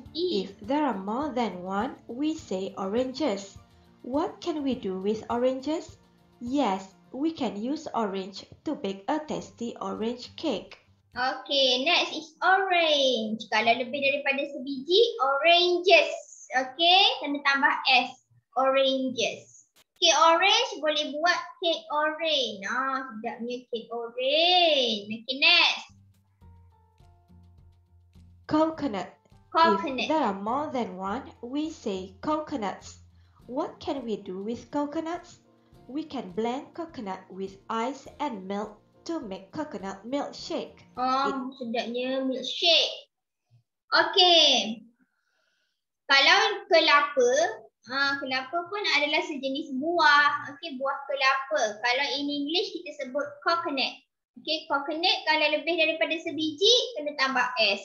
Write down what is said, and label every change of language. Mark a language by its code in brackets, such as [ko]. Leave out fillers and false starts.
[en] If there are more than one, we say oranges. What can we do with oranges? Yes. We can use orange to bake a tasty orange cake. Okay, next is orange. [ms] Kalau lebih daripada sebiji, oranges. Okay, kena tambah S. Oranges. Okay, orange boleh buat cake orange. Sedapnya cake orange. Okay, next. [en] Coconut. Coconut. If there are more than one, we say coconuts. What can we do with coconuts? We can blend coconut with ice and milk to make coconut milkshake. [ms] Sedapnya milkshake. Okay. Kalau kelapa, kelapa pun adalah sejenis buah. Okay, buah kelapa. Kalau in English, kita sebut coconut. Okay, coconut kalau lebih daripada sebiji, kena tambah S.